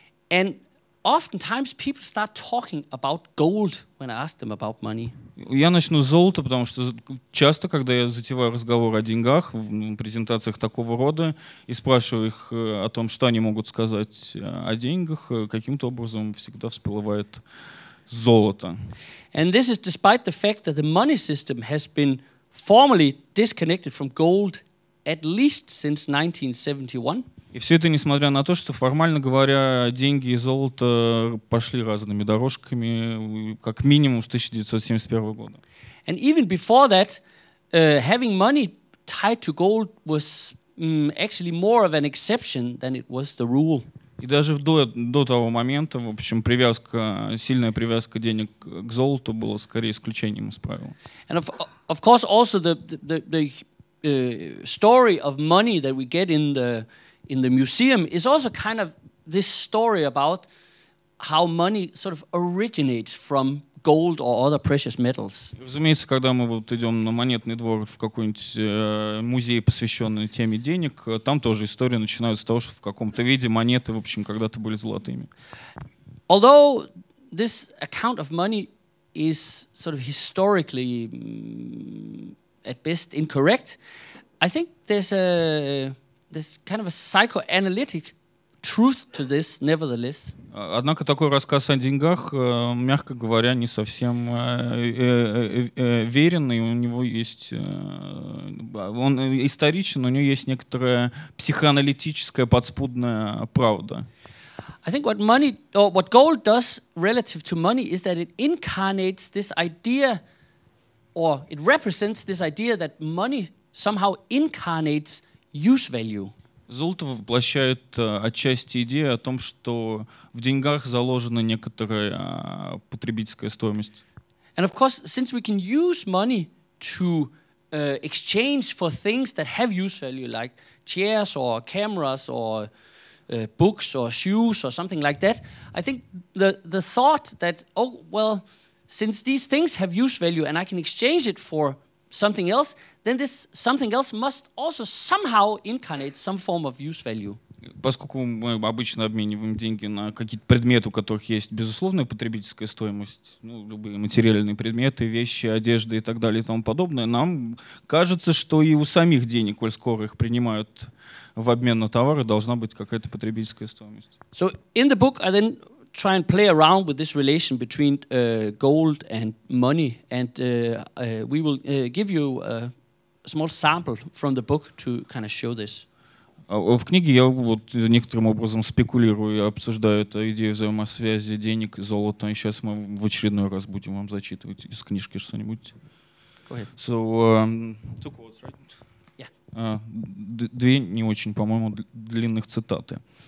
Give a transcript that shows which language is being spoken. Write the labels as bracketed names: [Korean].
[English] And oftentimes people start talking about gold when I ask them about money. [Russian] Я начну с золота, потому что часто, когда я затеваю разговор о деньгах в презентациях такого рода и спрашиваю их о том, что они могут сказать о деньгах, каким-то образом всегда всплывает золото. [English] And this is despite the fact that the money system has been formally disconnected from gold at least since 1971. [Russian] И все это несмотря на то, что, формально говоря, деньги и золото пошли разными дорожками, как минимум с 1971 года. [English] And even before that, having money tied to gold was actually more of an exception than it was the rule. [Russian] И даже до того момента, в общем, привязка, сильная привязка денег к золоту была скорее исключением из правил. [English] And of course also the story of money that we get in the museum is also kind of this story about how money sort of originates from gold or other precious metals. [Russian] Разумеется, когда мы вот идем на монетный двор в какой-нибудь музей, посвященный теме денег, там тоже история начинается с того, что в каком-то виде монеты, в общем, когда-то были золотыми. [English] Although this account of money is sort of historically at best incorrect, I think there's kind of a psychoanalytic truth to this, nevertheless. [Russian] Однако такой рассказ о деньгах, мягко говоря, не совсем верен, и у него есть, он историчен, у него есть некоторая психоаналитическая подспудная правда. [English] I think what money or what gold does relative to money is that it incarnates this idea, or it represents this idea that money somehow incarnates use value. [Russian] Золото воплощает отчасти идею о том, что в деньгах заложена некоторая потребительская стоимость. [English] And of course, since we can use money to exchange for things that have use value, like chairs or cameras or books or shoes or something like that, I think the thought that, oh, well, since these things have use value and I can exchange it for something else, then this something else must also somehow incarnate some form of use value. [Russian] Поскольку мы обычно обмениваем деньги на какие-то предметы, у которых есть безусловная потребительская стоимость, ну, любые материальные предметы, вещи, одежды и так далее и тому подобное, нам кажется, что и у самих денег, коль скоро их принимают в обмен на товары, должна быть какая-то потребительская стоимость. [English] So in the book I then try and play around with this relation between gold and money, and we will give you small sample from the book to kind of show this. [Russian] В книге я вот некоторым образом спекулирую и обсуждаю эту идею взаимосвязи денег и золота. И сейчас мы в очередной раз будем вам зачитывать из книжки что-нибудь. [English] Go ahead. So, two quotes, right? Yeah. [Russian] Две не очень, по-моему, длинных цитаты.